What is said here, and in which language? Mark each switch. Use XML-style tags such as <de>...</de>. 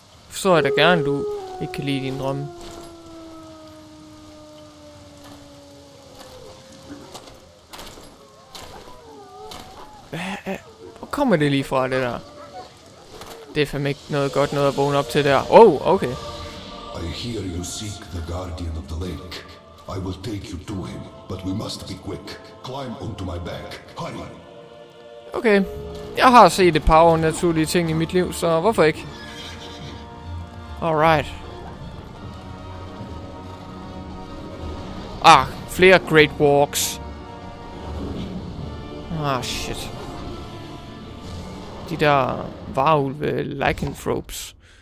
<da>Så er det gerne, du ikke kan lide din drøm. Hvor kommer det lige fra, det der? Det er fandme ikke noget godt noget at vågne op til der.</da> <en>Oh, okay. I hear you seek the guardian of the lake. I will take you to him, but we must be quick. Climb onto my back. Hurry. Okay.</en> <da>Jeg har set et par overnaturlige ting i mit liv, så hvorfor ikke?</da> <en>Alright.</en> <da>Ah, flere</da> <en>great walks.</en> <da>Ah, shit. De der varulve lycanthropes.</da>